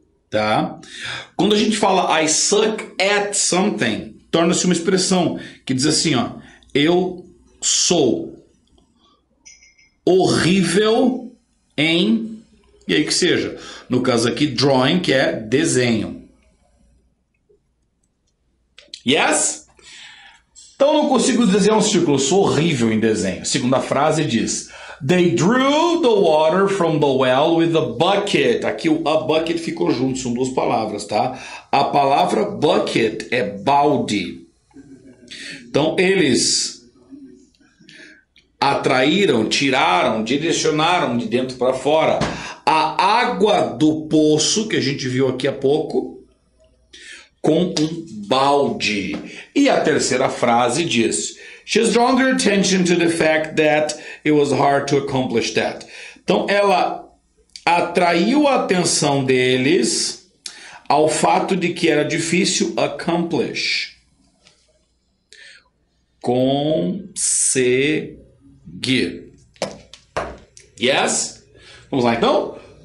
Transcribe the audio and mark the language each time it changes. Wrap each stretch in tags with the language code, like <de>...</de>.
<pt>Tá? Quando a gente fala</pt> <en>I suck at something,</en> <pt>torna-se uma expressão que diz assim, ó, eu sou horrível em, e aí que seja, no caso aqui, drawing, que é desenho. Yes? Então, eu não consigo desenhar um círculo, eu sou horrível em desenho. Segunda frase diz,</pt> <en>they drew the water from the well with a bucket.</en> <pt>Aqui o a bucket ficou junto, são duas palavras, tá? A palavra bucket é balde. Então, eles atraíram, tiraram, direcionaram de dentro para fora a água do poço, que a gente viu aqui há pouco, com um balde. E a terceira frase diz,</pt> <en>she's drawn her attention to the fact that it was hard to accomplish that.</en> <pt>Então, ela atraiu a atenção deles ao fato de que era difícil accomplish. Conseguir. Yes? Vamos lá, então?</pt>